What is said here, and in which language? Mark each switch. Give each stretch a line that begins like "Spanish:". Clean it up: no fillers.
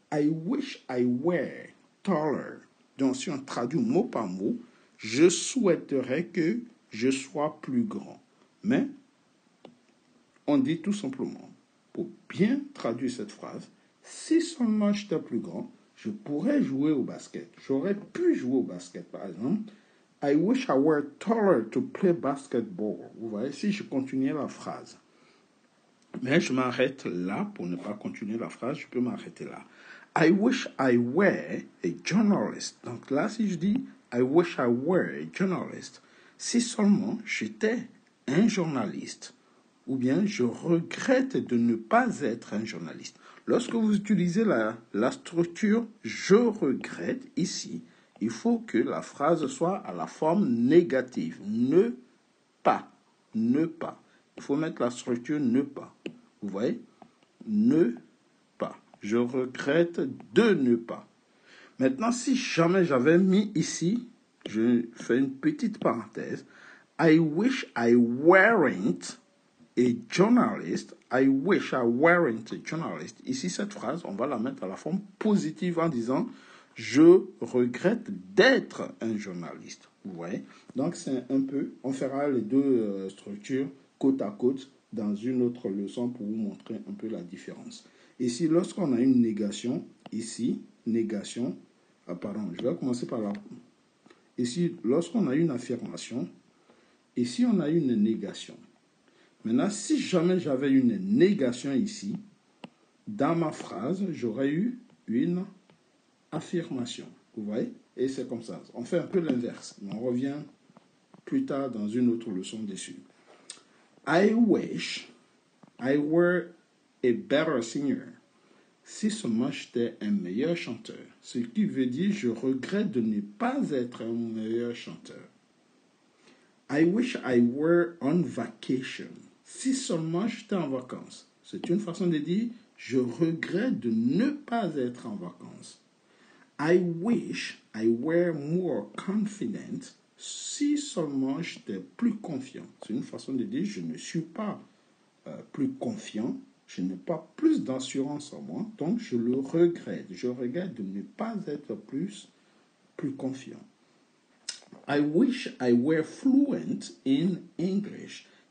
English: I wish I were taller.
French: Donc, si on traduit mot par mot, je souhaiterais que je sois plus grand. Mais, on dit tout simplement, pour bien traduire cette phrase, si seulement j'étais plus grand, je pourrais jouer au basket. J'aurais pu jouer au basket, par exemple.
English: I wish I were taller to play basketball.
French: Vous voyez, si je continuais la phrase. Mais je m'arrête là pour ne pas continuer la phrase. Je peux m'arrêter là.
English: I wish I were a journalist.
French: Donc là, si je dis,
English: I wish I were a journalist.
French: Si seulement j'étais un journaliste, ou bien je regrette de ne pas être un journaliste. Lorsque vous utilisez la structure je regrette ici, il faut que la phrase soit à la forme négative. Ne pas. Ne pas. Il faut mettre la structure ne pas. Vous voyez? Ne pas. Je regrette de ne pas. Maintenant, si jamais j'avais mis ici, je fais une petite parenthèse.
English: I wish I weren't a journalist. I wish I weren't a journalist.
French: Ici, cette phrase, on va la mettre à la forme positive en disant je regrette d'être un journaliste. Vous voyez? Donc, c'est un peu, on fera les deux structures côte à côte dans une autre leçon pour vous montrer un peu la différence. Ici, lorsqu'on a une négation, ici, négation, pardon, je vais commencer par là. Ici, lorsqu'on a une affirmation, ici, on a une négation. Maintenant, si jamais j'avais une négation ici, dans ma phrase, j'aurais eu une affirmation. Vous voyez? Et c'est comme ça. On fait un peu l'inverse. On revient plus tard dans une autre leçon dessus.
English: I wish I were a better singer.
French: Si seulement j'étais un meilleur chanteur. Ce qui veut dire je regrette de ne pas être un meilleur chanteur.
English: I wish I were on vacation.
French: Si seulement j'étais en vacances. C'est une façon de dire je regrette de ne pas être en vacances.
English: I wish I were more confident.
French: Si seulement j'étais plus confiant. C'est une façon de dire je ne suis pas plus confiant. Je n'ai pas plus d'assurance en moi. Donc, je le regrette. Je regrette de ne pas être plus confiant.
English: I wish I were fluent in English.